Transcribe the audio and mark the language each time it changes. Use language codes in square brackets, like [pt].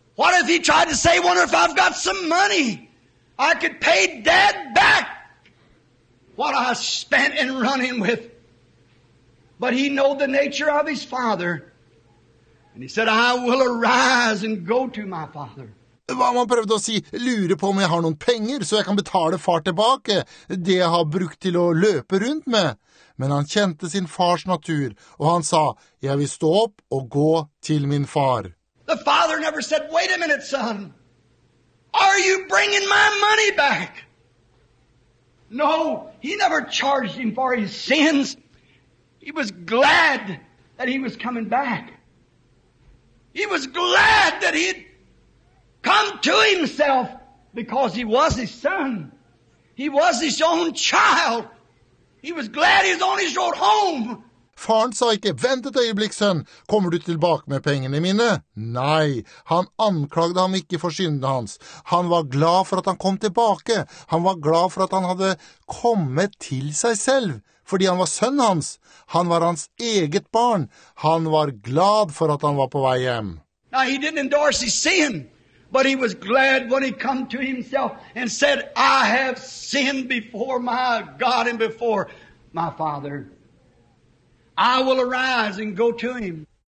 [en] What if he tried to say, wonder if I've got some money, I could pay dad back what I spent in running with. But he knew the nature of his father, and he said, I will arise and go to my father. [no] Hva man prøvde å si, lure på om jeg har noen penger, så jeg kan betale far tilbake, det jeg har brukt til å løpe rundt med. Men han kjente sin fars natur, og han sa, jeg vil stå opp og gå til min far. [en] The father never said, wait a minute, son. Are you bringing my money back? No, he never charged him for his sins. He was glad that he was coming back. He was glad that he'd come to himself, because he was his son. He was his own child. He was glad he was on his road home. [no] Faren sa ikke, vent et øyeblikk, sønn. Kommer du tilbake med pengene mine? Nei, han anklagde ham ikke for syndene hans. Han var glad for at han kom tilbake. Han var glad for at han hadde kommet til seg selv, fordi han var sønnen hans. Han var hans eget barn. Han var glad for at han var på vei hjem. [en] Now, he didn't endorse his sin. But he was glad when he come to himself and said, I have sinned before my God and before my Father. I will arise and go to him.